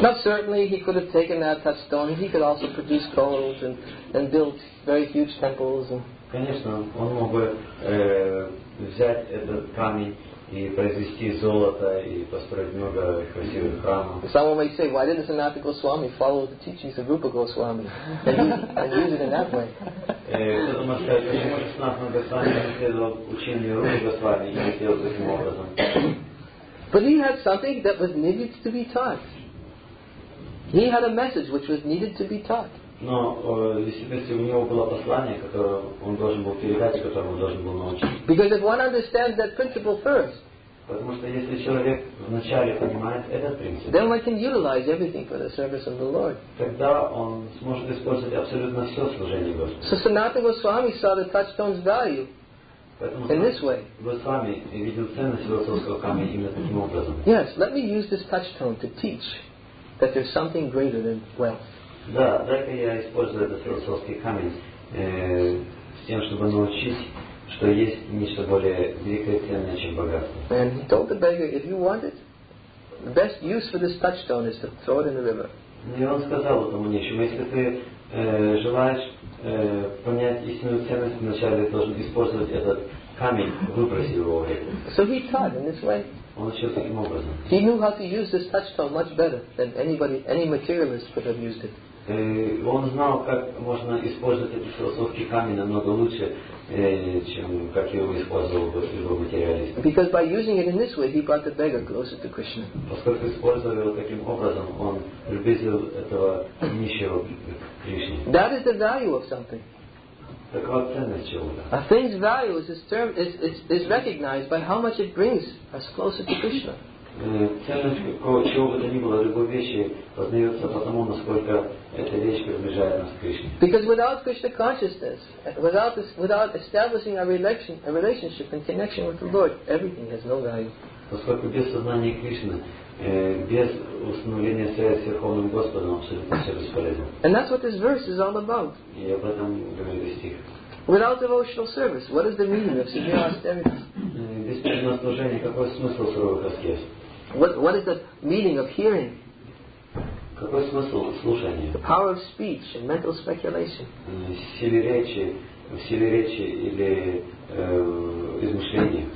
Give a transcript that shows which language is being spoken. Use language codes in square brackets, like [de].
[en] Now certainly he could have taken that touchstone. He could also produce gold and build very huge temples. [ru] Конечно, он мог бы взять этот камень и произвести золото и построить много красивых храмов. [en] Someone might say, why didn't Sanatana Goswami follow the teachings of Rupa Goswami and use it in that way? [ru] Кто-то может сказать, почему же Sanatana Goswami не следовал учению Рупы Госвами и не сделал таким образом? [en] But he had something that was needed to be taught. He had a message which was needed to be taught. [ru] Но если у него было послание, которое он должен был передать, которое он должен был научить. [en] Because if one understands that principle first, [ru] потому что если человек вначале понимает этот принцип, [en] then one can utilize everything for the service of the Lord. [ru] Тогда он сможет использовать абсолютно все служение Господу. [en] So Sanatana Goswami saw the touchstone's value. [ru] Поэтому [en] in this way. [ru] Goswami видел ценность философского камня именно таким образом. [en] Yes, let me use this touchstone to teach that there's something greater than wealth. [ru] Да, дай-ка я использую этот философский камень с тем, чтобы научить, что есть нечто более великое и ценное, чем богатство. [en] And he told the beggar, if you want it, the best use for this touchstone is to throw it in the river. [ru] И он сказал этому нищему, если ты желаешь понять истинную ценность, вначале должен использовать этот камень, выбросить его в реку. [en] So he taught in this way. [ru] Он учил таким образом. [en] He knew how to use this touchstone much better than anybody, any materialist could have used it. [ru] Он знал, как можно использовать этот философский камень намного лучше, чем как его использовал бы любой материалист. [en] Because by using it in this way, he brought the beggar closer to Krishna. [ru] Поскольку использовал его таким образом, он приблизил этого нищего к Кришне. [en] That is the value of something. [ru] Такова ценность чего-то. [en] A thing's value is term, is recognized by how much it brings us closer to Krishna. [ru] Ценность какого чего бы то ни было, любой вещи познается потому, насколько эта вещь приближает нас к Кришне. [en] Because without Krishna consciousness, without this, without establishing a relationship and connection with the Lord, everything has no value. [ru] Поскольку без сознания Кришны, без установления связи с Верховным Господом, абсолютно все бесполезно. [en] And that's what this verse is all about. [ru] И об этом говорит стих. [en] Without devotional service, what is the meaning of severe austerities? [ru] Без преданного служения, какой смысл суровых аскез? [en] What is the meaning of hearing? [ru] Какой смысл слушания? [en] The power of speech and mental speculation. [ru] В силе речи или измышления.